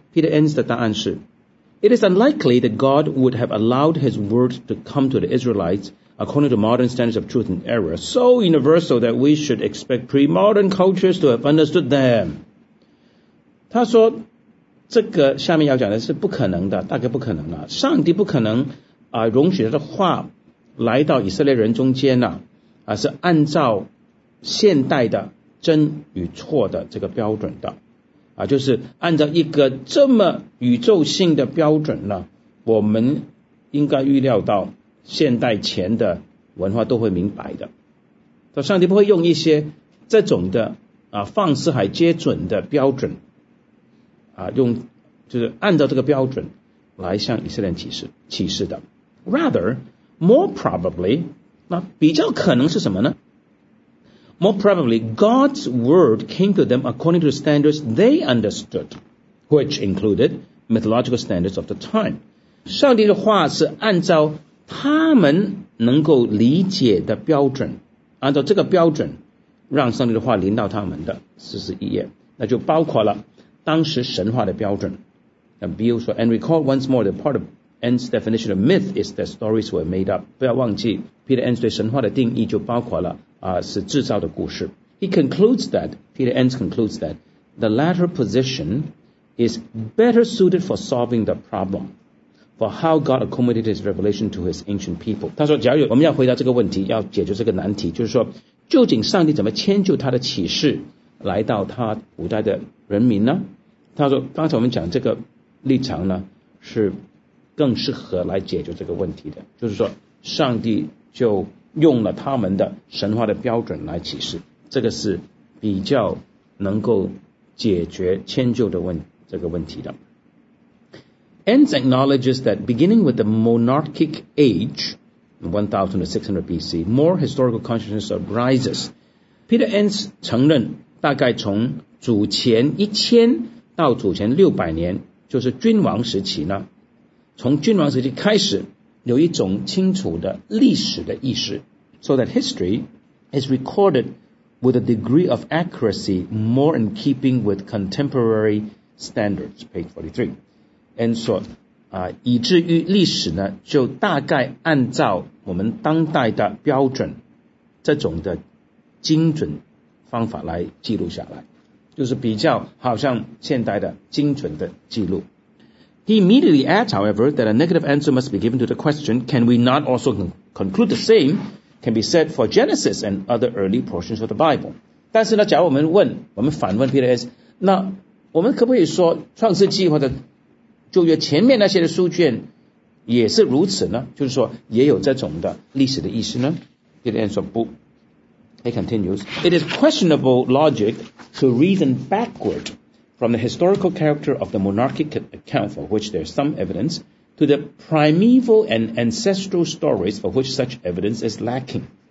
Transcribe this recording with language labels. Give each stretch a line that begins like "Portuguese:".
English: Peter Enns
Chinese: 的答案是，
English: It is unlikely that God would have allowed his word to come to the Israelites according to modern standards of truth and error, so universal that we should expect pre-modern cultures to have understood them.
Chinese: 他说这个下面要讲的是不可能的，大概不可能了。上帝不可能容许他的话来到以色列人中间呢，是按照现代的真与错的这个标准的，就是按照一个这么宇宙性的标准呢，我们应该预料到现代前的文化都会明白的。上帝不会用一些这种的放四海皆准的标准用就是按照这个标准来向以色列启示的。
English: Rather, more probably,
Chinese: 那比较可能是什么呢？
English: More probably, God's word came to them according to the standards they understood, which included mythological standards of the time.
Chinese: 上帝的话是按照他们能够理解的标准，按照这个标准让上帝的话临到他们的。 41页，那就包括了当时神话的标准。那 Beale 说，
English: And recall once more that part of Enns' definition of myth is that stories were made up.
Chinese: 不要忘记 Peter Enns 对神话的定义就包括了是制造的故事。
English: Peter Enns concludes that the latter position is better suited for solving the problemFor how God accommodated his revelation to his ancient people.
Chinese: 他说假如我们要回答这个问题，要解决这个难题，就是说究竟上帝怎么迁就他的启示来到他古代的人民呢？他说刚才我们讲这个立场呢是更适合来解决这个问题的，就是说上帝就用了他们的神话的标准来启示，这个是比较能够解决迁就的这个问题的。
English: Enns acknowledges that beginning with the monarchic age, 1600 BC, more historical consciousness arises.
Chinese: Peter Enns 承认大概从主前1000到主前600年，就是君王时期呢，从君王时期开始有一种清楚的历史的意识，
English: so that history is recorded with a degree of accuracy more in keeping with contemporary standards, page 43. And so,
Chinese: 以至于历史呢就大概按照我们当代的标准这种的精准方法来记录下来，就是比较好像现代的精准的记录。
English: He immediately adds, however, that a negative answer must be given to the question, can we not also conclude the same can be said for Genesis and other early portions of the Bible?
Chinese: 但是呢假如我们反问 Peter S, 那我们可不可以说创世纪或者就约前面那些的书卷也是如此呢？就是说也有这种的历史的意思呢？ Peter Enns 说不。
English: He continues, It is questionable logic to reason backward from the historical character of the monarchic account for which there is some evidence to the primeval and ancestral stories for which such evidence is lacking.